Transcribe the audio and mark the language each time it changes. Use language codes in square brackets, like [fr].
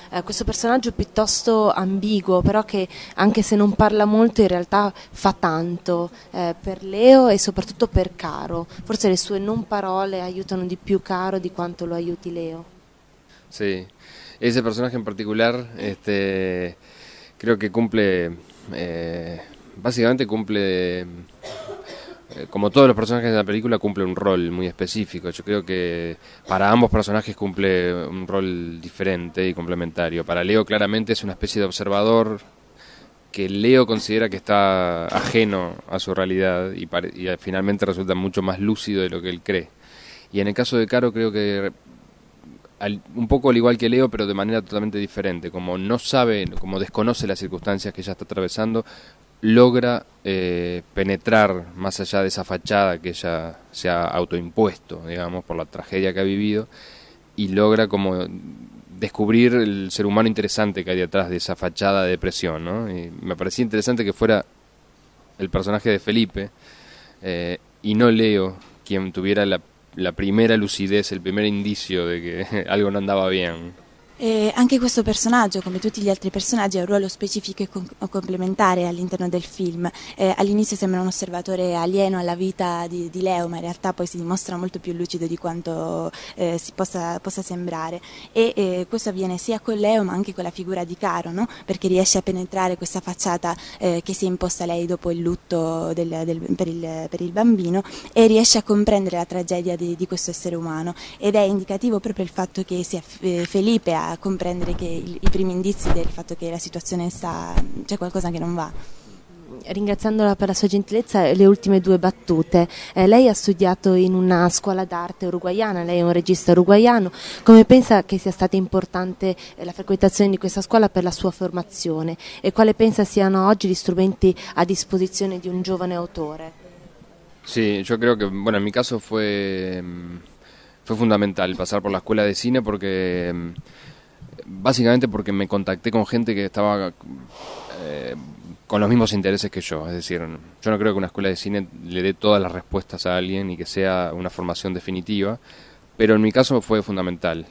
[it] Questo personaggio è piuttosto ambiguo, però che anche se non parla molto in realtà fa tanto per Leo e soprattutto per Caro. Forse le sue non parole aiutano di più Caro di quanto lo aiuti Leo. Sì, ese personaggio in particolare credo che [es] cumple, básicamente cumple... Como todos los personajes de la película, cumple un rol muy específico. Yo creo que para ambos personajes cumple un rol diferente y complementario. Para Leo claramente es una especie de observador que Leo considera que está ajeno a su realidad y finalmente resulta mucho más lúcido de lo que él cree. Y en el caso de Caro creo que un poco al igual que Leo, pero de manera totalmente diferente. Como no sabe, como desconoce las circunstancias que ella está atravesando, logra penetrar más allá de esa fachada que ella se ha autoimpuesto, digamos, por la tragedia que ha vivido, y logra como descubrir el ser humano interesante que hay detrás de esa fachada de depresión, ¿no? Y me parecía interesante que fuera el personaje de Felipe, y no Leo quien tuviera la primera lucidez, el primer indicio de que algo no andaba bien. [it] Anche questo personaggio, come tutti gli altri personaggi, ha un ruolo specifico e complementare all'interno del film. All'inizio sembra un osservatore alieno alla vita di Leo, ma in realtà poi si dimostra molto più lucido di quanto possa sembrare. E questo avviene sia con Leo, ma anche con la figura di Caro, no? Perché riesce a penetrare questa facciata che si è imposta lei dopo il lutto per il bambino, e riesce a comprendere la tragedia di questo essere umano. Ed è indicativo proprio il fatto che sia Felipe a comprendere che i primi indizi del fatto che la situazione sta, c'è qualcosa che non va. Ringraziandola per la sua gentilezza, le ultime due battute. Lei ha studiato in una scuola d'arte uruguaiana, lei è un regista uruguaiano. Come pensa che sia stata importante la frequentazione di questa scuola per la sua formazione, e quale pensa siano oggi gli strumenti a disposizione di un giovane autore? Sì, io credo che, [es] bueno, [it] in mio caso [es] fue... Fue fundamental pasar por la escuela de cine porque, básicamente porque me contacté con gente que estaba con los mismos intereses que yo. Es decir, yo no creo que una escuela de cine le dé todas las respuestas a alguien y que sea una formación definitiva, pero en mi caso fue fundamental.